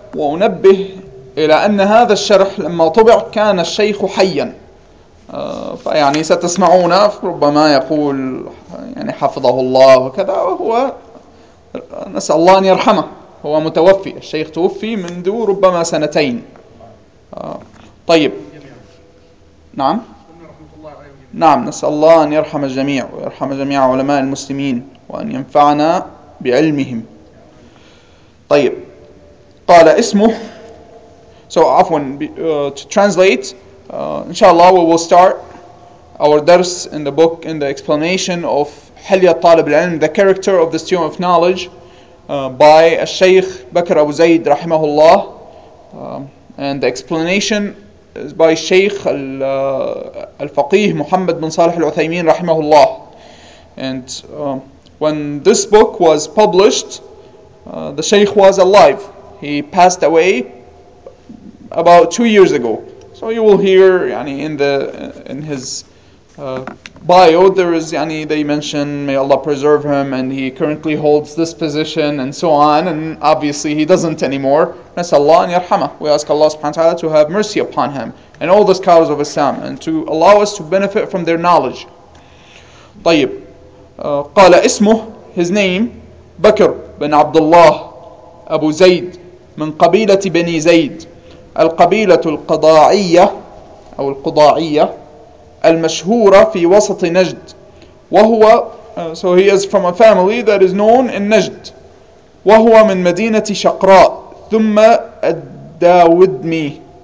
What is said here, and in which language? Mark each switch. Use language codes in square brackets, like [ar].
[ar] وأنبه إلى أن هذا الشرح لما طبع كان الشيخ حيا، فيعني ستسمعون ربما يقول يعني حفظه الله وكذا، وهو نسأل الله أن يرحمه، هو متوفي، الشيخ توفي منذ ربما سنتين. طيب، نعم نعم، نسأل الله أن يرحم الجميع ويرحم جميع علماء المسلمين وأن ينفعنا بعلمهم. طيب، قال اسمه، [en] to translate, inshallah we will start our درس in the book in the explanation of حلية طالب العلم, the character of the student of knowledge by الشيخ بكر أبو زيد رحمه الله, and the explanation by الشيخ الفقيه محمد بن صالح العثيمين رحمه الله. And when this book was published, the Shaykh was alive. He passed away about 2 years ago. So you will hear, يعني, in his bio, there is, يعني, they mention, may Allah preserve him, and he currently holds this position, and so on. And obviously, he doesn't anymore. [ar] نسأل الله أن يرحمه. [en] We ask Allah سبحانه وتعالى to have mercy upon him and all the scholars of Islam, and to allow us to benefit from their knowledge. [ar] طيب. قال اسمه, [en] his name, [ar] بكر بن عبد الله أبو زيد من قبيلة بني زيد القبيلة القضاعية أو القضاعية المشهورة في وسط نجد. [en] وهو so he is from a family that is known in نجد. [ar] وهو من مدينة شقراء ثم الداودمي.